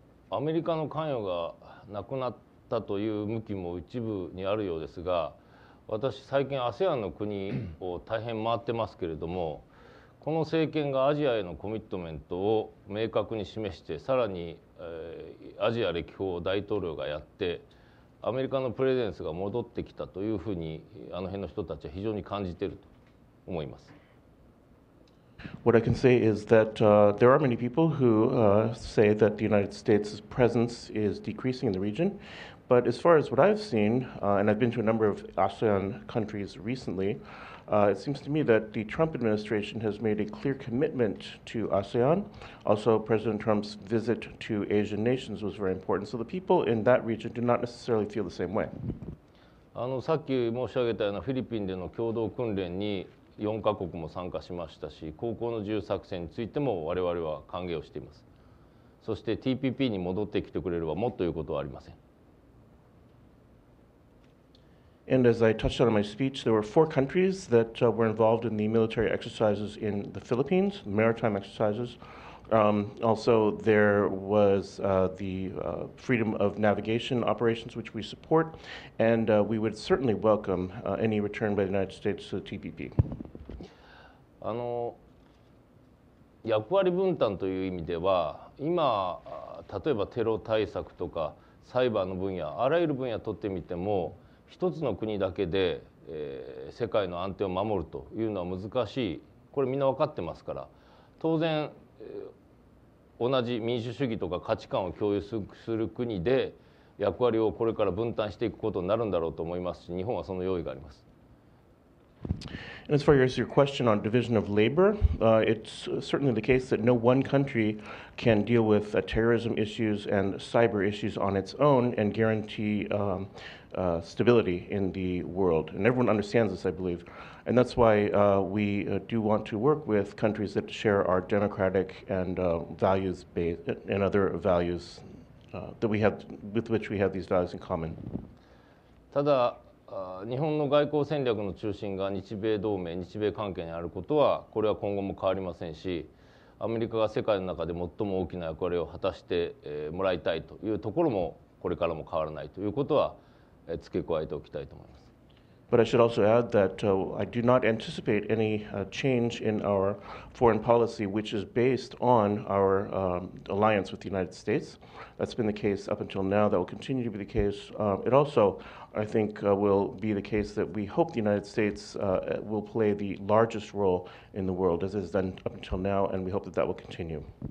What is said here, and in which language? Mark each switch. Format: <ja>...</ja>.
<ja>アメリカの関与がなくなったという向きも一部にあるようですが、私最近 ASEAN の国を大変回ってますけれども、この政権がアジアへのコミットメントを明確に示して、さらにアジア歴訪を大統領がやって、アメリカのプレゼンスが戻ってきたというふうに、あの辺の人たちは非常に感じていると思います。</ja> <en>What I can say is that there are many people who say that the United States' presence is decreasing in the region. But as far as what I've seen, and I've been to a number of ASEAN countries recently, it seems to me that the Trump administration has made a clear commitment to ASEAN. Also, President Trump's visit to Asian nations was very important. So the people in that region do not necessarily feel the same way.</en> <ja>さっき申し上げたようなフィリピンでの共同訓練に4カ国も参加しましたし、航行の自由作戦についても我々は歓迎をしています。そして TPP に戻ってきてくれればもっと言うことはありません。</ja> <en>And as I touched on in my speech, there were four countries that were involved in the military exercises in the Philippines, maritime exercises. Also, there was the freedom of navigation operations, which we support, and we would certainly welcome any return by the United States to the TPP.</en> <ja>役割分担という意味では、今、例えばテロ対策とかサイバーの分野、あらゆる分野を取ってみても、一つの国だけで、世界の安定を守るというのは難しい。これみんな分かってますから、当然、同じ民主主義とか価値観を共有する国で役割をこれから分担していくことになるんだろうと思いますし、日本はその用意があります。</ja> <en>And as far as your question on division of labor, it's certainly the case that no one country can deal with terrorism issues and cyber issues on its own and guarantee stability in the world. And everyone understands this, I believe. And that's why we do want to work with countries that share our democratic and values based and other values that we have, with which we have these values in common.</en> <ja>ただ日本の外交戦略の中心が日米同盟、日米関係にあることは、これは今後も変わりませんし、アメリカが世界の中で最も大きな役割を果たしてもらいたいというところも、これからも変わらないということは付け加えておきたいと思います。</ja> <en>But I should also add that I do not anticipate any change in our foreign policy, which is based on our alliance with the United States. That's been the case up until now. That will continue to be the case. It also, I think, will be the case that we hope the United States will play the largest role in the world, as it has done up until now, and we hope that that will continue.</en>